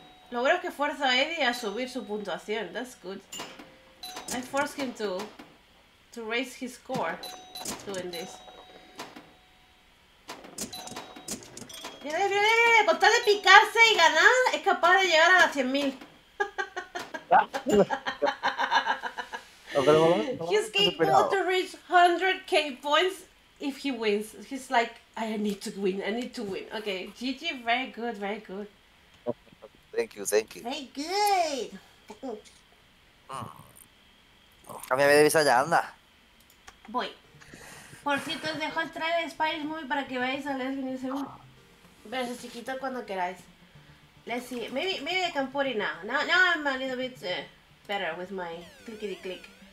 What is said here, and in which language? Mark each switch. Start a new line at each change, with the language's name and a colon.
Spanish: Lo bueno es que fuerza a Eddie a subir su puntuación.
English: That's good. I forced him to raise his score doing this.
Spanish: Mira, con tal de picarse y ganar, es capaz de llegar a las 100.000.
English: He's capable to reach 100k points if he wins. He's like, I need to win. Okay, GG, very good. Thank you. Very good.
Spanish: Cámbiame de visa ya, anda. Voy. Por cierto, os dejo el trailer de Spice Movie para que veáis a Leslie Nielsen. Verás a chiquito cuando queráis.
English: Let's see. Maybe I can put it now. Now I'm a little bit better with my clickety click.